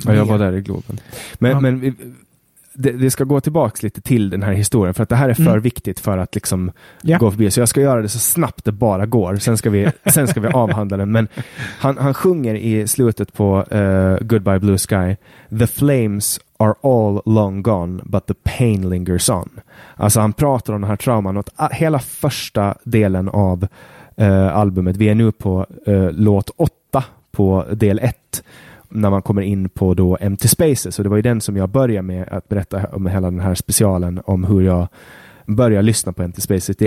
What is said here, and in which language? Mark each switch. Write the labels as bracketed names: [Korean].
[Swedish] Ja, jag var där i Globen. Men det ska gå tillbaka lite till den här historien, för att det här är för viktigt för att liksom gå förbi. Så jag ska göra det så snabbt det bara går. Sen ska vi avhandla den. Men han sjunger i slutet på Goodbye Blue Sky. [English] The flames are all long gone, but the pain lingers on. [Swedish] Alltså han pratar om den här trauman och hela första delen av albumet. Vi är nu på låt 8 på del 1, när man kommer in på då Empty Spaces, och det var ju den som jag började med att berätta om, hela den här specialen om hur jag började lyssna på Empty Spaces.